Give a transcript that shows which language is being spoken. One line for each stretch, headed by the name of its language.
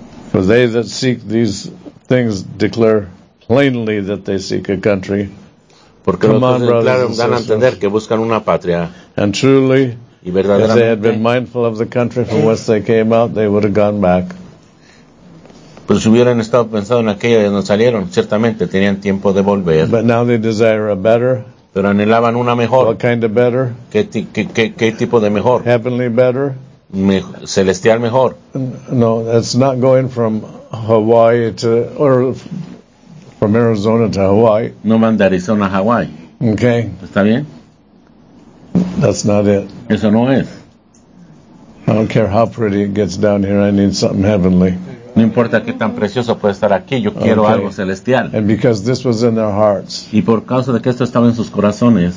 English: For they that seek these things declare plainly that they seek a country.
Spanish: Porque
English: Come on, brothers and sisters.
Spanish: Dan a entender que buscan una patria.
English: And truly, if they had been mindful of the country from whence they came out, they would have gone back.
Spanish: Pero si hubieran estado pensando en aquella de donde salieron, ciertamente tenían tiempo de volver.
English: But now they desire a better.
Spanish: Pero anhelaban una mejor.
English: What kind of better?
Spanish: ¿Qué tipo de mejor?
English: Heavenly better.
Spanish: Celestial mejor.
English: No, that's not going from Hawaii to, or from Arizona to Hawaii.
Spanish: No van de Arizona a Hawaii.
English: Okay.
Spanish: ¿Está bien?
English: That's not it.
Spanish: Eso no es.
English: I don't care how pretty it gets down here. I need something heavenly.
Spanish: No importa qué tan precioso puede estar aquí. Yo quiero
English: okay.
Spanish: algo celestial.
English: And because this was in their hearts.
Spanish: Y por causa de que esto estaba en sus corazones.